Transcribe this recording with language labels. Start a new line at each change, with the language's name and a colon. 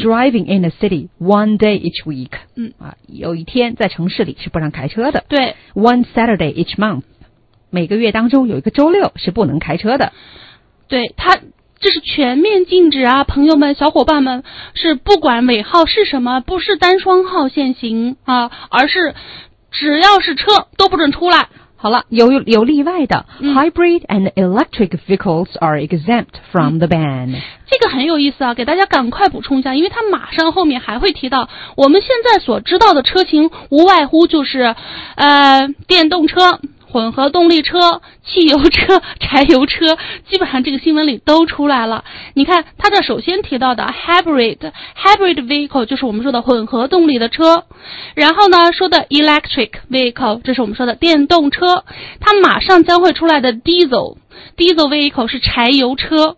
English: driving in the city one day each week。嗯，
Chinese: 啊，有一天在城市里是不让开车的。对，
English: one Saturday each month，
Chinese: 每个月当中有一个周六是不能开车的。对，它这是全面禁止啊，朋友们小伙伴们，是不管尾号是什么，不是单双号限行啊，而是只要是车都不准出来。好了，有例外的，嗯，
English: hybrid and electric vehicles are exempt from the ban。
Chinese: 这个很有意思啊，给大家赶快补充一下，因为它马上后面还会提到，我们现在所知道的车型无外乎就是，电动车、混合动力车、汽油车、柴油车，基本上这个新闻里都出来了。你看他这首先提到的 hybrid vehicle 就是我们说的混合动力的车，然后呢说的 electric vehicle 这是我们说的电动车，他马上将会出来的 diesel vehicle 是柴油车。